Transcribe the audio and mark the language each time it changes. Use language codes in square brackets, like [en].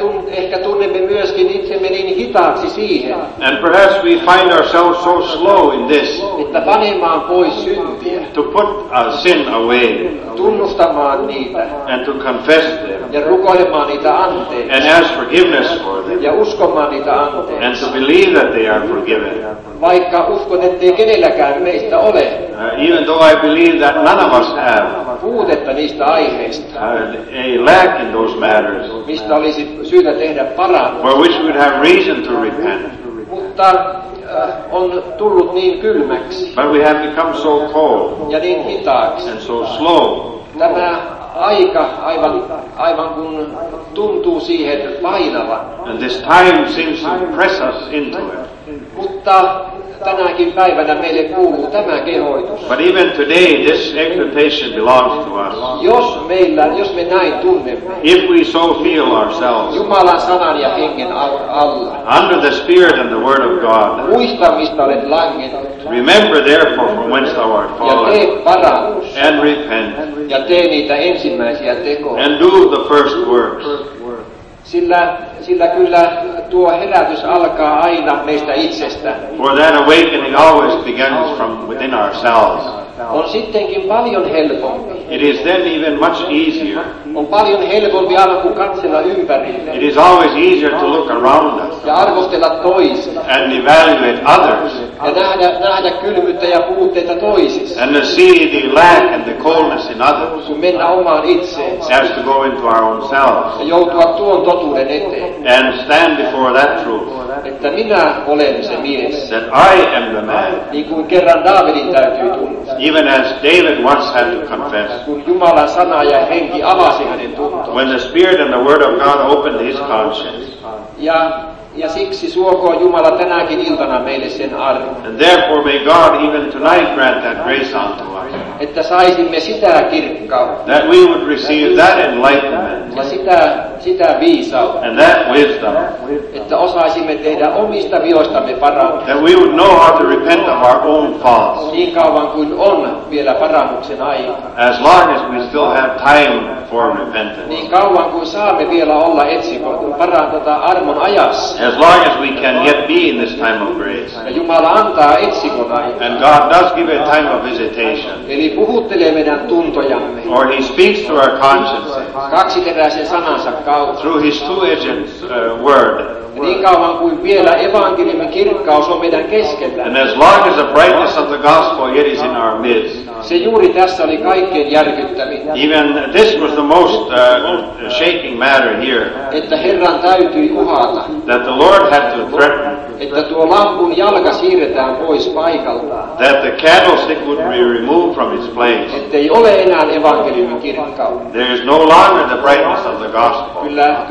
[fi] Ehkä tunnemme myöskin itsemme niin hitaaksi siihen. [en] And perhaps we find ourselves so slow in this. [fi] Että panemaan pois syntiä. [en] To put our sin away. [fi] Tunnustamaan niitä. [en] And to confess them. [fi] Ja rukoilemaan niitä anteeksi. [en] And ask forgiveness for them. [fi] Ja uskomaan niitä anteeksi. [en] And to believe that they are forgiven. [fi] Vaikka uskon, ettei kenelläkään meistä ole. [en] Even though I believe that none of us have. [fi] Puutetta niistä aiheista. [en] A lack in those matters. [fi] Mistä olisi syytä tehdä parannus. [en] For which we'd have reason to repent. [fi] Mutta on tullut niin kylmäksi. [en] But we have become so cold. [fi] Ja niin hitaaksi. [en] And so slow. [fi] Tämä aika aivan kuin tuntuu siihen painavan. [en] And this time seems to press us into it. [fi] Mutta tänäkin päivänä meille kuuluu tämä kehoitus. [en] But even today this exhortation belongs to us. [fi] Jos me näin tunnemme. [en] If we so feel ourselves. [fi] Jumalan sanan ja hengen alla. [en] Under the Spirit and the Word of God. [fi] Muista, mistä olet langennut. [en] Remember therefore from whence thou art fallen. [fi] Ja tee parannus. [en] And repent. [fi] Ja tee niitä ensimmäisiä tekoja. [en] And do the first works. [fi] Sillä kyllä tuo herätys alkaa aina meistä itsestä. [en] For that awakening always begins from within ourselves. [fi] On sittenkin paljon helpompi. [en] It is then even much easier. [fi] On paljon helpompi alku katsella ympärille. [en] It is always easier to look around us. [fi] Ja arvostella toista. [en] And evaluate others. [fi] Ja nähdä kylmyyttä ja puutteita toisissa. [en] And to see the lack and the coldness in others. [fi] Kun mennä omaan itseensä. [en] As to go into our own selves. [fi] Ja joutua tuon totuuden eteen. [en] And stand before that truth. [fi] Että minä olen se mies. [en] That I am the man. [fi] Niin kuin kerran Daavidin täytyy tunnustaa. [en] Even as David once had to confess. [fi] Kun Jumalan sana ja henki avasi hänen tuntoon. [en] When the Spirit and the Word of God opened his conscience. [fi] Ja siksi suokoon Jumala tänäkin iltana meille sen armon. [en] And therefore may God even tonight grant that grace unto us. [fi] Että saisimme sitä kirkkautta. [en] That we would receive that enlightenment. [fi] Ja sitä viisautta. [en] And that wisdom. [fi] Että osaisimme tehdä omista vioistamme parannuksen. [en] That we would know how to repent of our own faults. [fi] Niin kauan kuin on vielä parannuksen aika. [en] As long as we still have time for repentance. [fi] Niin kauan kuin saamme vielä olla etsikoitun parantata armon ajassa. [en] As long as we can yet be in this time of grace. [fi] Ja Jumala antaa etsikon aikaa. [en] And God does give a time of visitation. [fi] Eli puhuttelee meidän tuntojamme. [en] Or he speaks to our conscience. [fi] Kaksikeräisen sanansa kautta. [en] Through his two-edged word. [fi] Niin kauan kuin vielä evankeliumin kirkkaus on meidän keskellä. [en] And as long as the brightness of the gospel yet is in our midst. [fi] Se juuri tässä oli kaikkein järkyttävin. [en] Even this was the most shaking matter here. [fi] Että Herran täytyi uhata. [en] That the Lord had to threaten. [fi] Että tuo lampun jalka siirretään pois paikalta. [en] That the candlestick would be removed from its place. [fi] Että ei ole enää evankeliumin kirkkaus. [en] There is no longer the brightness of the gospel.